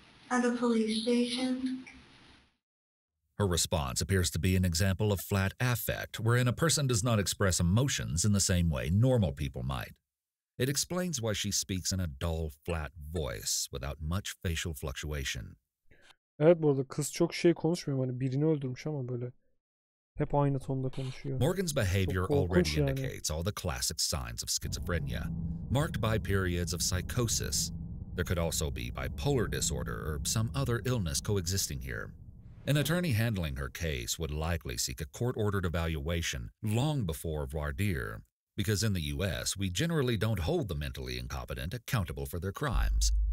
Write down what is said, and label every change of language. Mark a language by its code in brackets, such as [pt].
[en] At a police station. Her response appears to be an example of flat affect, wherein a person does not express emotions in the same way normal people might. It explains why she speaks in a dull, flat voice without much facial fluctuation. [tr] Evet, bu arada kız çok şey konuşmuyor. Hani birini öldürmüş ama böyle hep aynı tonda konuşuyor. [en] Morgan's behavior already indicates all the classic signs of schizophrenia, marked by periods of psychosis. There could also be bipolar disorder or some other illness coexisting here. An attorney handling her case would likely seek a court-ordered evaluation long before voir dire, because in the U.S., we generally don't hold the mentally incompetent accountable for their crimes.